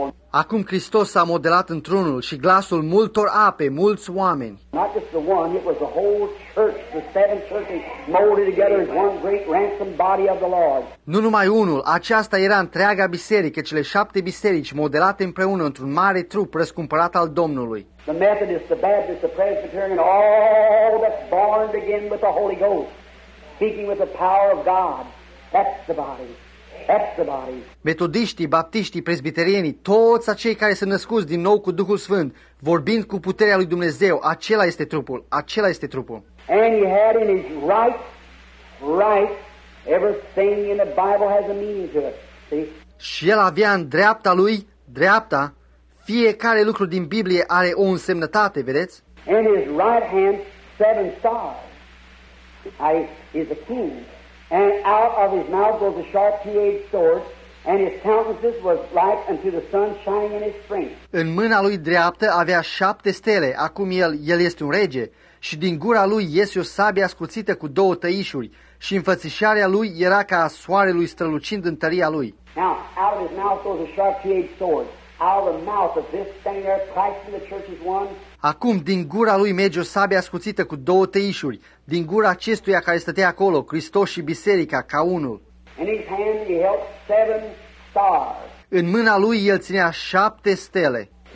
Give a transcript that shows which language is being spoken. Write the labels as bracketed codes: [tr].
[ro] Acum Hristos s-a modelat într-unul și glasul multor ape, mulți oameni. [en] Not just the one, it was the whole church, the seven churches molded together as one great ransom body of the Lord. [ro] Nu numai unul, aceasta era întreaga biserică, cele șapte biserici modelate împreună într-un mare trup răscumpărat al Domnului. [en] The Methodist, the Baptist, the Presbyterian, all that's born again with the Holy Ghost, speaking with the power of God, that's the body. [ro] Metodiștii, baptiștii, presbiterienii, toți acei care sunt născuți din nou cu Duhul Sfânt, vorbind cu puterea lui Dumnezeu, acela este trupul, acela este trupul. [en] And he had in his right, everything in the Bible has a meaning to it, see? [ro] Și el avea în dreapta lui, dreapta, fiecare lucru din Biblie are o însemnătate, vedeți? [en] And his right hand, seven stars, is a king. And out of his mouth goes a sharp two-edged sword, and his countenance was like unto the sun shining in his strength. [ro] În mâna lui dreaptă avea șapte stele, acum el este un rege, și din gura lui iese o sabie ascuțită cu două tăișuri, și înfățișarea lui era ca a soarelui strălucind în tăria lui. [en] Now, out of his mouth goes a sharp two-edged sword. Out of the mouth of this standing there, Christ in the church is one. [ro] Acum, din gura lui merge o sabie ascuțită cu două tăișuri, din gura acestuia care stătea acolo, Hristos și biserica, ca unul. [en] In his hand he held seven stars. [ro] În mâna lui el ținea șapte stele.